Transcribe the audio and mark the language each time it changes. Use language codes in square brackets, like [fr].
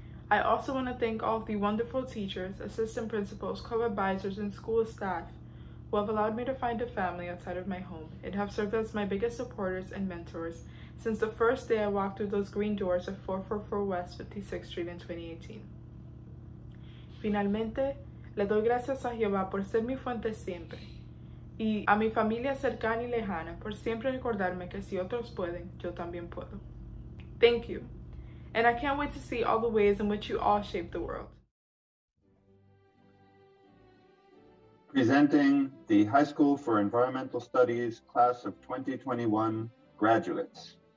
[en] I also want to thank all of the wonderful teachers, assistant principals, co-advisors, and school staff who have allowed me to find a family outside of my home and have served as my biggest supporters and mentors since the first day I walked through those green doors at 444 West 56th Street in 2018. [es] Finalmente, le doy gracias a Jehová por ser mi fuente siempre, y a mi familia cercana y lejana por siempre recordarme que si otros pueden, yo también puedo. [en] Thank you. And I can't wait to see all the ways in which you all shape the world. Presenting the High School for Environmental Studies Class of 2021 graduates.